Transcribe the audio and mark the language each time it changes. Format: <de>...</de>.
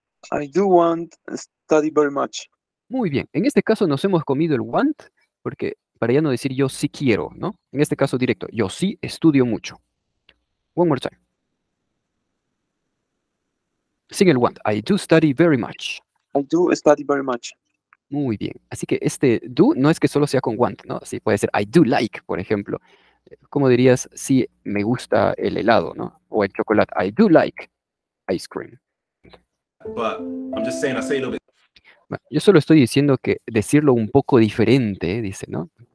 <en>I do want study very much.</en> <es>Muy bien. En este caso nos hemos comido el want porque... Para ya no decir yo sí quiero, ¿no? En este caso directo, yo sí estudio mucho.</es> <en>One more time.</en> <es>Sin el</es> <en>want. I do study very much. I do study very much.</en> <es>Muy bien. Así que este do no es que solo sea con want, ¿no? Sí, puede ser</es> <en>I do like,</en> <es>por ejemplo. ¿Cómo dirías si me gusta el helado, ¿no? O el chocolate.</es> <en>I do like ice cream. But I'm just saying, I say a little bit.</en> <es>Yo solo estoy diciendo que decirlo un poco diferente, dice, ¿no?</es>